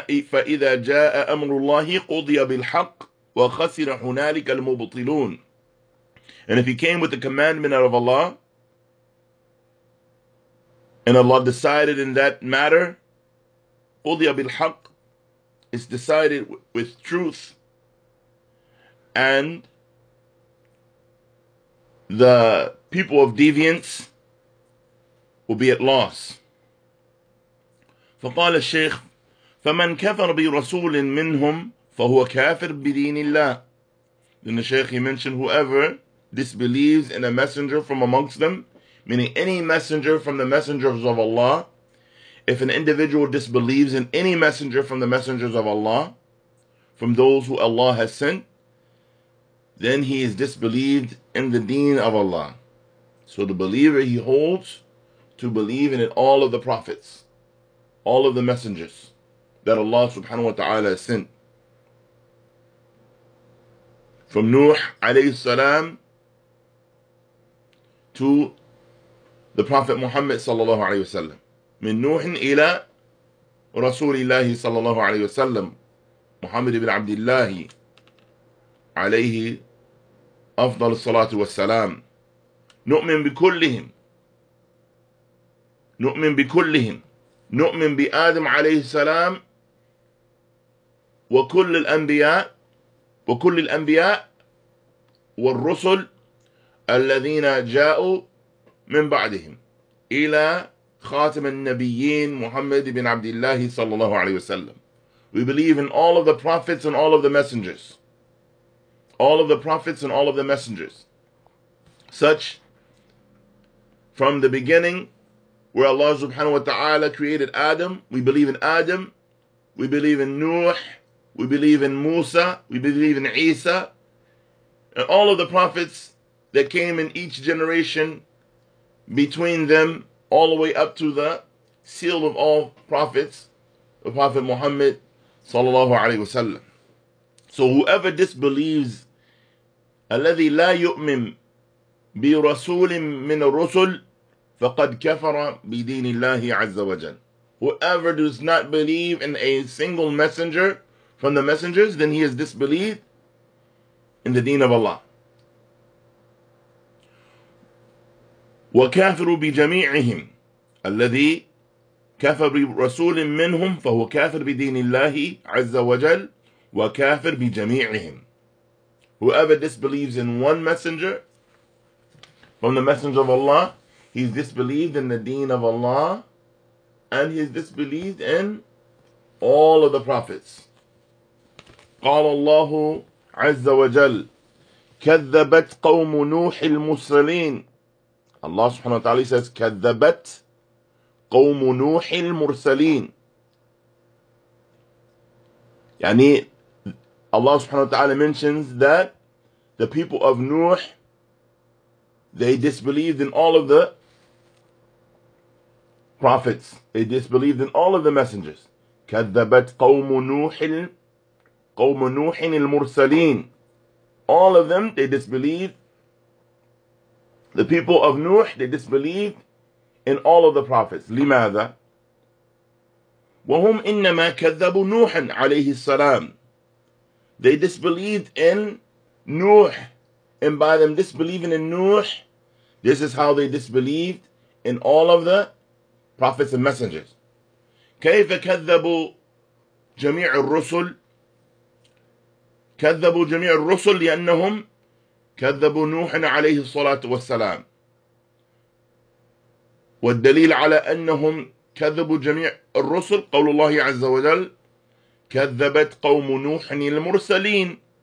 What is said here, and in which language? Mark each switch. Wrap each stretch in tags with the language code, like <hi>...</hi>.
<ar>فإذا جاء أمر الله قضي بالحق وخسر هنالك المبطلون.</ar> <en>And if he came with the commandment of Allah, and Allah decided in that matter,</en> <ar>قضي بالحق,</ar> <en>it's decided with truth, and the people of deviance will be at loss.</en> <ar>فقال الشيخ فمن كفر برسول منهم فهو كافر بدين الله.</ar> <en>Then the Shaykh, he mentioned, whoever disbelieves in a messenger from amongst them, meaning any messenger from the messengers of Allah, if an individual disbelieves in any messenger from the messengers of Allah, from those who Allah has sent, then he is disbelieved in the deen of Allah. So the believer, he holds to believe in it, all of the prophets, all of the messengers that Allah subhanahu wa ta'ala has sent. From Nuh alayhi salam to the Prophet Muhammad sallallahu alayhi wa sallam.</en> <ar>Min Nuh ila Rasulillahi sallallahu alayhi wa sallam. Muhammad ibn Abdillahi alayhi afdal salatu wa salam. نؤمن بكلهم نؤمن بكلهم، نؤمن بآدم عليه السلام وكل الأنبياء، وكل الأنبياء والرسل الذين جاءوا من بعدهم إلى خاتم النبيين محمد بن عبد الله صلى الله عليه وسلم.</ar> <en>We believe in all of the prophets and all of the messengers. All of the prophets and all of the messengers. Such from the beginning where Allah subhanahu wa ta'ala created Adam. We believe in Adam. We believe in Nuh. We believe in Musa. We believe in Isa. And all of the prophets that came in each generation between them, all the way up to the seal of all prophets, the Prophet Muhammad sallallahu alayhi wa sallam. So whoever disbelieves,</en> <ar>الَّذِي لَا يُؤْمِن بِرَسُولٍ مِّنَ الرُّسُلِ فَقَدْ كَفَرَ بِدِينِ اللَّهِ عَزَّ وَجَلَّ.</ar> <en>Whoever does not believe in a single messenger from the messengers, then he has disbelieved in the deen of Allah.</en> <ar>وَكَافِرُ بِجَمِيعِهِمْ الَّذِي كَفَرَ بِرَسُولٍ مِّنْهُمْ فَهُوَ كَافِرُ بِدِينِ اللَّهِ عَزَّ وَجَلَّ وَكَافِرُ بِجَمِيعِهِمْ.</ar> <en>Whoever disbelieves in one messenger from the messenger of Allah, he's disbelieved in the deen of Allah, and he's disbelieved in all of the prophets.</en> <ar>قال الله عز وجل كذبت قوم نوح المرسلين.</ar> <en>Allah subhanahu wa ta'ala says</en> <ar>كذبت قوم نوح المرسلين.</ar> <en>يعني Allah subhanahu wa ta'ala mentions that the people of Nuh, they disbelieved in all of the prophets. They disbelieved in all of the messengers.</en> <ar>كذبت قوم نوح قوم نوح المرسلين.</ar> <en>All of them, they disbelieved. The people of Nuh, they disbelieved in all of the prophets.</en> <ar>لماذا؟ وهم إنما كذبوا نوح عليه السلام.</ar> <en>They disbelieved in Nuh. And by them disbelieving in Nuh, this is how they disbelieved in all of the prophets and messengers.</en> <ar>كيف كذبوا جميع الرسل؟ كذبوا جميع الرسل لأنهم كذبوا نوح عليه الصلاة والسلام. والدليل على أنهم كذبوا جميع الرسل قول الله عز وجل كذبت قوم نوح المرسلين.</ar>